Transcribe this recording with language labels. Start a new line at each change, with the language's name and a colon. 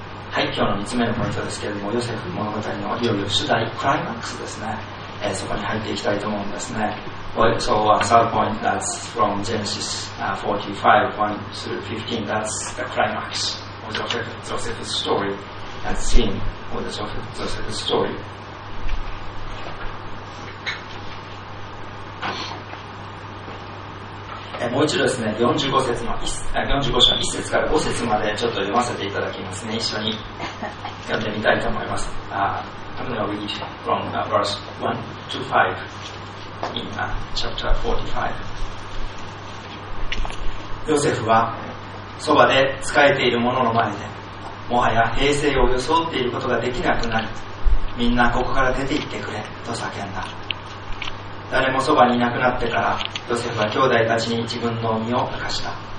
Japanese: はい、今日の3つ目のポイントですけれども、ヨセフ物語のいよいよ主題クライマックスですね、そこに入っていきたいと思うんですね。
English: Well, So our third point that's from Genesis 45:1-15, that's the climax of Joseph's story, that scene of the Joseph's story.
Japanese: もう一度ですね、45章1節から5節までちょっと読ませていただきますね。一緒に読んでみたいと思います。
English: I'm going to read from verse 1 to 5 in chapter 45.
Japanese: ヨセフはそばで仕えている者の前で、もはや平静を装っていることができなくなり、みんなここから出て行ってくれと叫んだ。誰もそばにいなくなってから、ヨセフは兄弟たちに自分の身を明かした。